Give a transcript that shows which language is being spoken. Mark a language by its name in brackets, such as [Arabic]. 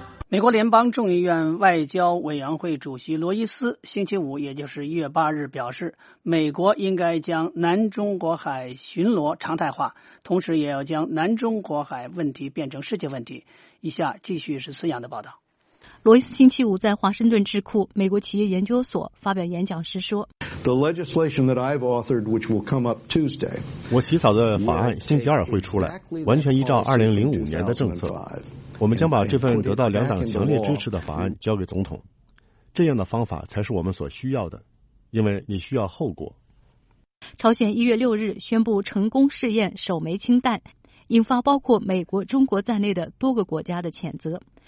[Chinese] 美国联邦众议院外交委员会主席罗伊斯星期五，也就是1月8日表示，美国应该将南中国海巡逻常态化，同时也要将南中国海问题变成世界问题。以下继续是思阳的报道。罗伊斯星期五在华盛顿智库美国企业研究所发表演讲时说， [English] The legislation that I've authored, which will come up Tuesday, [Chinese] 我起草的法案星期二会出来，完全依照2005年的政策，我们将把这份得到两党强烈支持的法案交给总统，这样的方法才是我们所需要的，因为你需要后果。朝鲜1月6日宣布成功试验首枚氢弹，引发包括美国、中国在内的多个国家的谴责。